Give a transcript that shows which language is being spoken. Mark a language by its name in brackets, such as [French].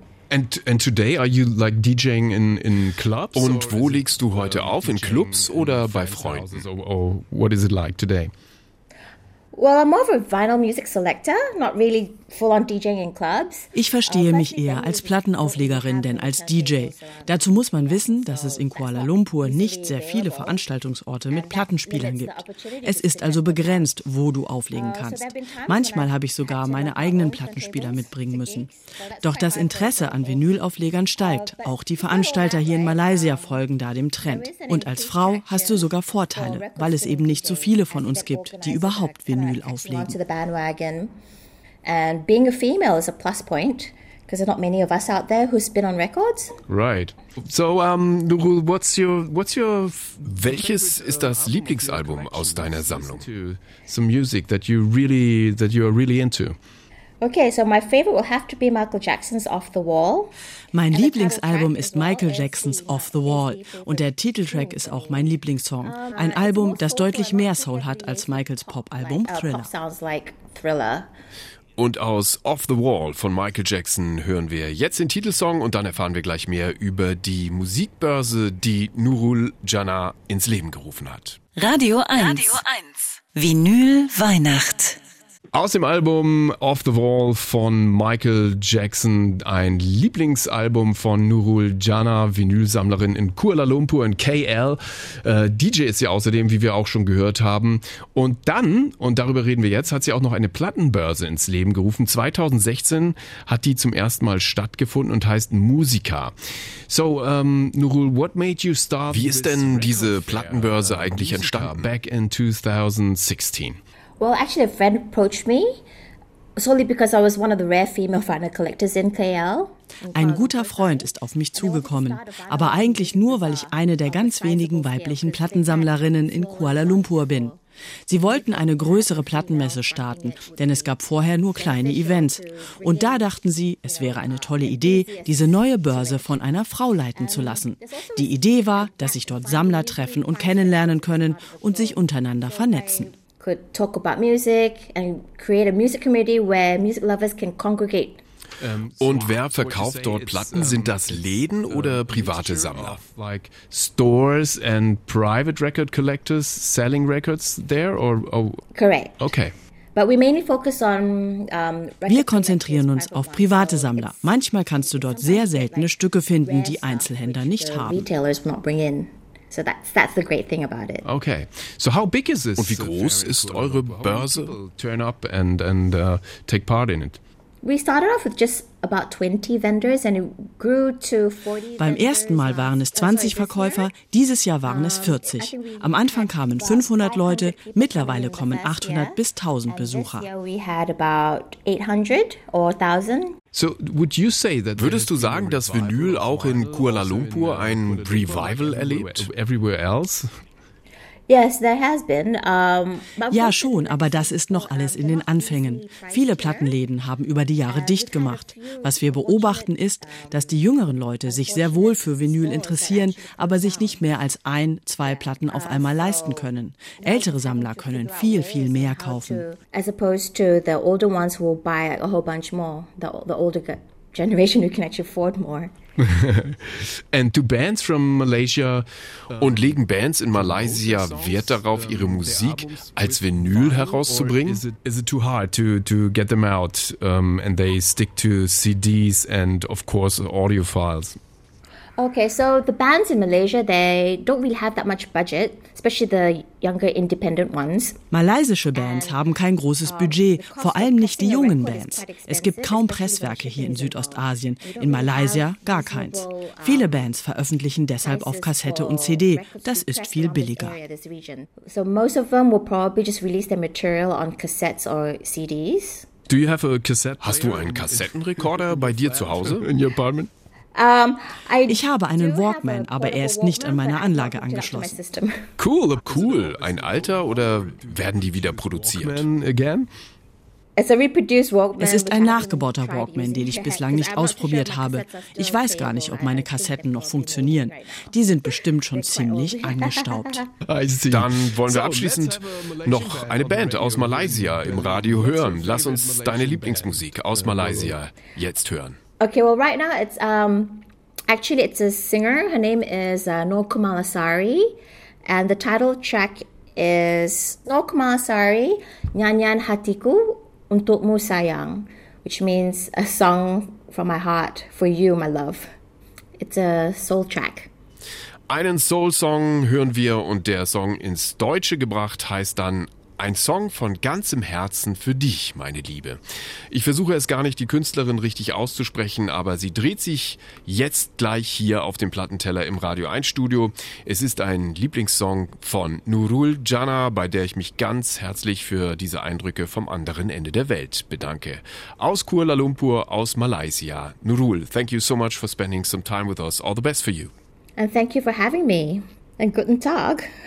[English] And today are you like DJing in clubs? [German] Und wo legst du heute auf, in Clubs oder bei Freunden? [English] Oh, what is it like today? Well, I'm more of a vinyl music selector, not really full on DJing in clubs. [German] Ich verstehe mich eher als Plattenauflegerin, denn als DJ. Dazu muss man wissen, dass es in Kuala Lumpur nicht sehr viele Veranstaltungsorte mit Plattenspielern gibt. Es ist also begrenzt, wo du auflegen kannst. Manchmal habe ich sogar meine eigenen Plattenspieler mitbringen müssen. Doch das Interesse an Vinylauflegern steigt. Auch die Veranstalter hier in Malaysia folgen da dem Trend. Und als Frau hast du sogar Vorteile, weil es eben nicht so viele von uns gibt, die überhaupt Vinyl auflegen. [English] And being a female is a plus point, because there are not many of us out there who spin on records. Right. So, Nurul, what's your? [German] Welches ist das Lieblingsalbum aus deiner Sammlung? [English] Some music that you are really into. Okay, so my favorite will have to be Michael Jackson's Off the Wall. [German] Mein Lieblingsalbum ist Michael Jackson's Off the Wall. Und der Titeltrack ist auch mein Lieblingssong. Ein Album, das deutlich mehr Soul hat als Michaels Pop-Album Thriller. [English] Sounds like Thriller. [German] Und aus Off the Wall von Michael Jackson hören wir jetzt den Titelsong und dann erfahren wir gleich mehr über die Musikbörse, die Nurul Jana ins Leben gerufen hat. Radio 1. Radio 1. Vinyl Weihnacht. Aus dem Album Off the Wall von Michael Jackson, ein Lieblingsalbum von Nurul Jana, Vinylsammlerin in Kuala Lumpur in KL. DJ ist sie außerdem, wie wir auch schon gehört haben. Und dann, und darüber reden wir jetzt, hat sie auch noch eine Plattenbörse ins Leben gerufen. 2016 hat die zum ersten Mal stattgefunden und heißt Musica. [English] So, Nurul, what made you start? [German] Wie ist denn diese Plattenbörse eigentlich entstanden? [English] Back in 2016. Well, actually, a friend approached me solely because I was one of the rare female vinyl collectors in KL. [German] Ein guter Freund ist auf mich zugekommen, aber eigentlich nur, weil ich eine der ganz wenigen weiblichen Plattensammlerinnen in Kuala Lumpur bin. Sie wollten eine größere Plattenmesse starten, denn es gab vorher nur kleine Events. Und da dachten sie, es wäre eine tolle Idee, diese neue Börse von einer Frau leiten zu lassen. Die Idee war, dass sich dort Sammler treffen und kennenlernen können und sich untereinander vernetzen. [English] Could talk about music and create a music community where music lovers can congregate. [German] Und wer verkauft dort Platten? Sind das Läden oder private Sammler? [English] Like stores and private record collectors selling records there or? Correct. Okay. But we mainly focus on. [German] Wir konzentrieren uns auf private Sammler. Manchmal kannst du dort sehr seltene Stücke finden, die Einzelhändler nicht haben. [English] Retailers will not bring in. So that's the great thing about it. Okay. So how big is this? [German] Und wie groß ist eure Börse? [English] Turn up and take part in it. We started off with just about 20 vendors and it grew to 40. [German] Beim ersten Mal waren es 20 Verkäufer, dieses Jahr waren es 40. Am Anfang kamen 500 Leute, mittlerweile kommen 800 bis 1000 Besucher. [English] We had about 800 or 1000. So would you say that, [German] würdest du sagen, dass Vinyl auch in Kuala Lumpur ein Revival erlebt? [English] Everywhere else? Yes, there has been. [German] Ja, schon, aber das ist noch alles in den Anfängen. Viele Plattenläden haben über die Jahre dicht gemacht. Was wir beobachten ist, dass die jüngeren Leute sich sehr wohl für Vinyl interessieren, aber sich nicht mehr als ein, zwei Platten auf einmal leisten können. Ältere Sammler können viel, viel mehr kaufen. [English] As opposed to the older ones who will buy a whole bunch more, the older generation who can actually afford more. And do bands from Malaysia [German] und legen Bands in Malaysia Wert darauf, ihre Musik als Vinyl herauszubringen? [English] Is it too hard to get them out and they stick to CDs and of course audio files? Okay, so the bands in Malaysia, they don't really have that much budget, especially the younger independent ones. [German] Malaysische Bands haben kein großes Budget, vor allem nicht die jungen Bands. Es gibt kaum Presswerke hier in Südostasien, in Malaysia gar keins. Viele Bands veröffentlichen deshalb auf Kassette und CD, das ist viel billiger. [English] So most of them will probably just release their material on cassettes or CDs. Do you have a cassette? [German] Hast du einen Kassettenrekorder bei dir zu Hause? [English] In your apartment? [German] Ich habe einen Walkman, aber er ist nicht an meiner Anlage angeschlossen. [English] Cool. [German] Ein alter oder werden die wieder produziert? Es ist ein nachgebauter Walkman, den ich bislang nicht ausprobiert habe. Ich weiß gar nicht, ob meine Kassetten noch funktionieren. Die sind bestimmt schon ziemlich angestaubt. Dann wollen wir abschließend noch eine Band aus Malaysia im Radio hören. Lass uns deine Lieblingsmusik aus Malaysia jetzt hören. [English] Okay, well, right now it's actually it's a singer. Her name is Noor Kumalasari, and the title track is Noor Kumalasari Nyanyian Hatiku Untukmu Sayang, which means a song from my heart for you, my love. It's a soul track. [German] Einen Soul-Song hören wir, und der Song ins Deutsche gebracht heißt dann Ein Song von ganzem Herzen für dich, meine Liebe. Ich versuche es gar nicht, die Künstlerin richtig auszusprechen, aber sie dreht sich jetzt gleich hier auf dem Plattenteller im Radio 1 Studio. Es ist ein Lieblingssong von Nurul Jana, bei der ich mich ganz herzlich für diese Eindrücke vom anderen Ende der Welt bedanke. Aus Kuala Lumpur, aus Malaysia. [English] Nurul, thank you so much for spending some time with us. All the best for you. And thank you for having me. And [German] guten Tag.